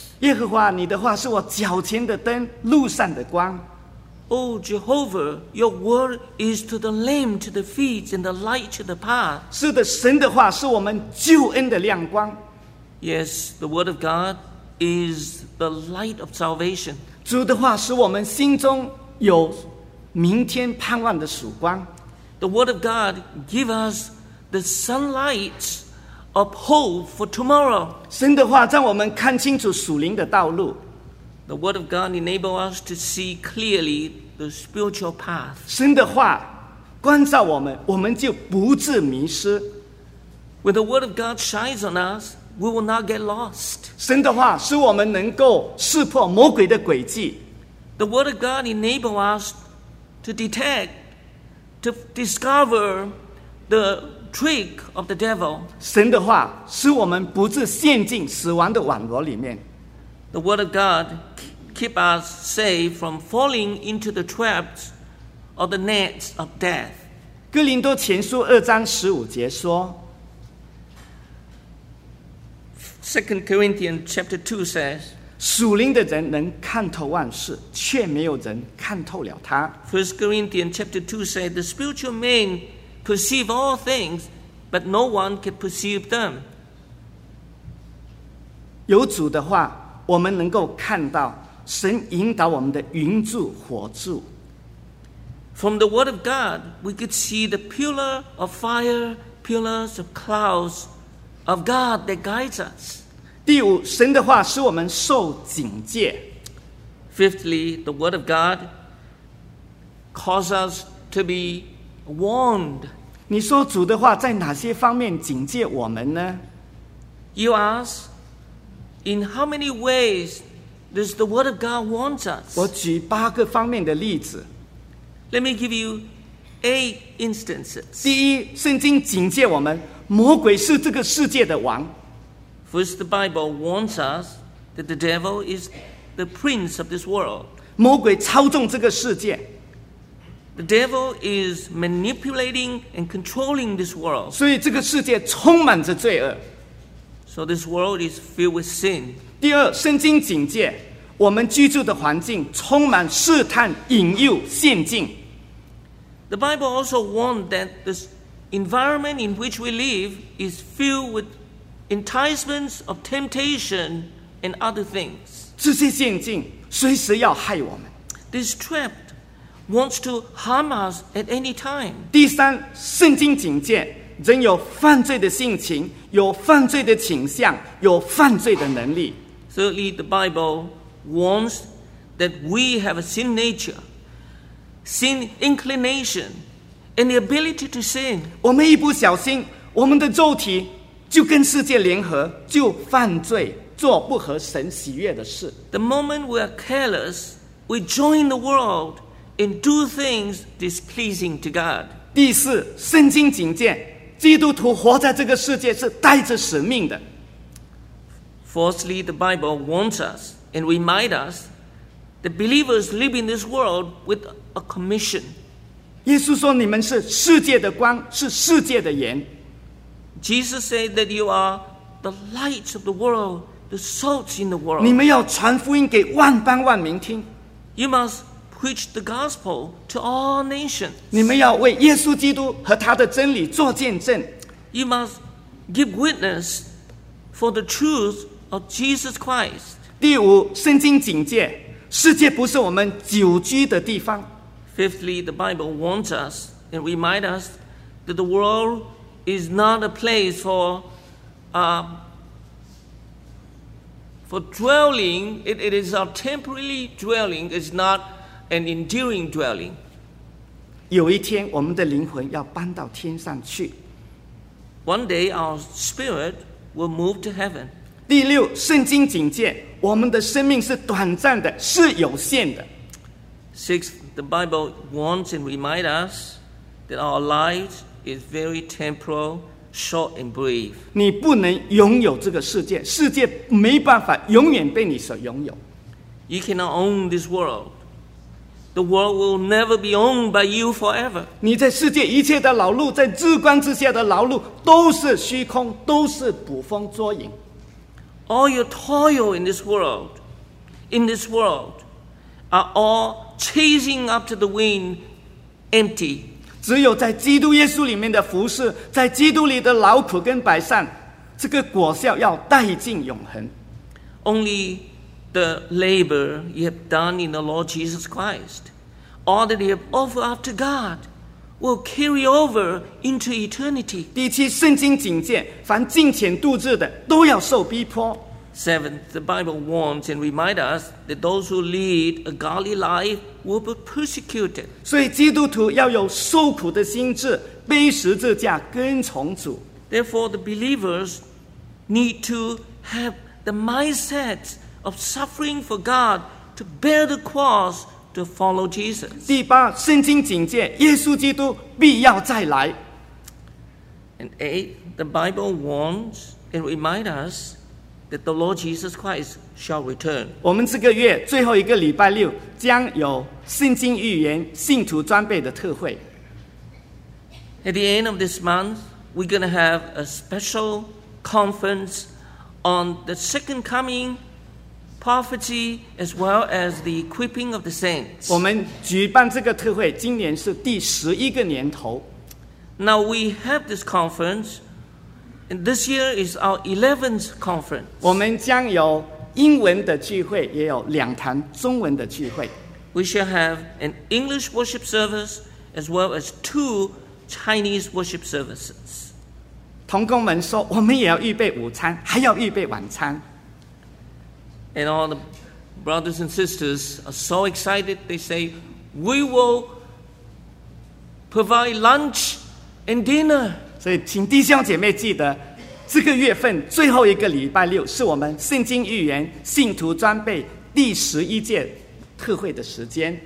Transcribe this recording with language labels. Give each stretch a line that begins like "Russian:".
Chinese: 耶和华，你的话是我脚前的灯，路上的光。
English: Oh, Jehovah, your word is to the lame, to the feet, and the light to the path.
Chinese: 是的，神的话是我们救恩的亮光。
English: Yes, the word of God is the light of salvation.
Chinese: 主的话使我们心中有明天盼望的曙光。
English: The word of God gives us the sunlight of hope for tomorrow.
Chinese: 神的话让我们看清楚属灵的道路。
English: The word of God enables us to see clearly the spiritual path.
Chinese: 神的话光照我们，我们就不致迷失。
English: When the word of God shines on us, we will not get lost.
Chinese: 神的话使我们能够识破魔鬼的诡计。
English: The word of God enables us to detect, to discover the trick of the devil.
Chinese: 神的话使我们不致陷进死亡的网罗里面。
English: The word of God keep us safe from falling into the traps or the nets of death.
Chinese: 哥林多前书二章十五节说，
English: Second Corinthians chapter 2 says,
Chinese: 属灵的人能看透万事，却没有人看透了他。
English: First Corinthians chapter 2 says, the spiritual man perceive all things, but no one can perceive them.
Chinese: 有主的话，我们能够看到神引导我们的云柱火柱。
English: From the word of God, we could see the pillar of fire, pillars of clouds of God that guides us.
Chinese: 第五，神的话使我们受警戒。
English: Fifthly, the word of God causes us to be warned.
Chinese: 你说主的话在哪些方面警戒我们呢？
English: You ask,In how many ways does the word of God warn us?
Chinese: 我举八个方面的例子。
English: Let me give you 8 instances.
Chinese: 第一，圣经警戒我们，魔鬼是这个世界的王。
English: First, the Bible warns us that the devil is the prince of this world.
Chinese: 魔鬼操纵这个世界。
English: The devil is manipulating and controlling this world.
Chinese: 所以这个世界充满着罪恶。
English: So this world is filled with sin.
Chinese: 第二，圣经警戒，我们居住的环境充满试探、引诱、陷阱。
English: The Bible also warned that the environment in which we live is filled with enticements of temptation and other things.
Chinese: 这些陷阱随时要害我们。
English: This trap wants to harm us at any time.
Chinese: 第三，圣经警戒，人有犯罪的性情，有犯罪的倾向，有犯罪的能力。
English: Thirdly, the Bible warns that we have a sin nature, sin inclination, and the ability to sin.
Chinese: 我们一不小心，我们的肉体就跟世界联合，就犯罪，做不合神喜悦的事。
English: The moment we are careless, we join the world and do things displeasing to God.
Chinese: 第四，圣经警戒，基督徒活在这个世界是带着使命的。
English: Fourthly, the Bible warns us and reminds us that believers live in this world with a commission.
Chinese: 耶稣说你们是世界的光，是世界的盐。
English: Jesus said that you are the light of the world, the salt in the world.
Chinese: 你们要传福音给万邦万民听。
English: You must preach the gospel to all nations.
Chinese: 你们要为耶稣基督和他的真理做见证。
English: You must give witness for the truth of Jesus Christ.
Chinese: 第五，圣经警戒，世界不是我们久居的地方。
English: Fifthly, the Bible warns us and reminds us that the world is not a place for dwelling. It is a temporary dwelling. It's not an enduring dwelling.
Chinese: 有一天，我们的灵魂要搬到天上去。
English: One day, our spirit will move to heaven.
Chinese: 第六，圣经警戒，我们的生命是短暂的，是有限的。
English: Sixth, the Bible warns and reminds us that our lives. Is very temporal, short and brief.
Chinese: 你不能拥有这个世界，世界没办法永远被你所拥有。
English: You cannot own this world. The world will never be owned by you forever.
Chinese: 你在世界一切的劳碌，在日光之下的劳碌，都是虚空，都是捕风捉影。
English: All your toil in this world, are all chasing after the wind, empty.
Chinese: 只有在基督耶稣里面的服事，在基督里的劳苦跟摆上，这个果效要带进永恒。
English: Only the labor you have done in the Lord Jesus Christ, all that you have offered up to God, will carry over into eternity.
Chinese: 第七，圣经警戒，凡敬虔度日的都要受逼迫。
English: Seventh, the Bible warns and reminds us that those who lead a godly life will be persecuted.
Chinese: 所以基督徒要有受苦的心智，背十字架跟从主。
English: Therefore, the believers need to have the mindset of suffering for God to bear the cross to follow Jesus.
Chinese: 第八，圣经警戒，耶稣基督必要再来。
English: And eighth, the Bible warns and reminds us. That the Lord Jesus Christ shall return.
Chinese: 我们这个月最后一个礼拜六将有圣经预言信徒装备的特会。
English: At the end of this month, we're going to have a special conference on the second coming, prophecy, as well as the equipping of the saints.
Chinese: 我们举办这个特会，今年是第十一个年头。
English: Now we have this conference. And this year is our 11th conference.
Chinese: 我们将有英文的聚会，也有两堂中文的聚会。
English: We shall have an English worship service as well as two Chinese worship services.
Chinese: 同工们说，我们也要预备午餐，还要预备晚餐。
English: And all the brothers and sisters are so excited. They say, "We will provide lunch and dinner."
Chinese: 所以请弟兄姐妹记得，这个月份最后一个礼拜六是我们圣经预言信徒装备第十一届特会的时间。